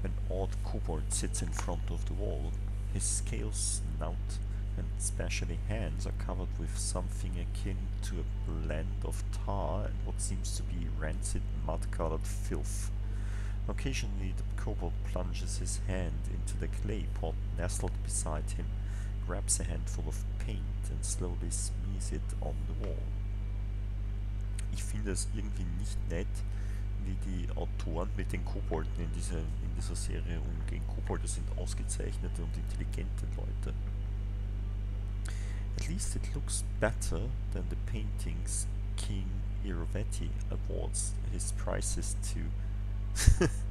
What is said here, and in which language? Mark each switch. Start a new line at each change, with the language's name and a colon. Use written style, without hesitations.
English: Odd kobold sits in front of the wall. His scales, snout, and especially hands are covered with something akin to a blend of tar and what seems to be rancid, mud-colored filth. Occasionally, the kobold plunges his hand into the clay pot nestled beside him, grabs a handful of paint, and slowly smears it on the wall.
German: Ich finde es irgendwie nicht nett, wie die Autoren mit den Kobolden in dieser Serie umgehen. Kobolde sind ausgezeichnete und intelligente Leute.
English: At least it looks better than the paintings King Irvetti awards his prizes to.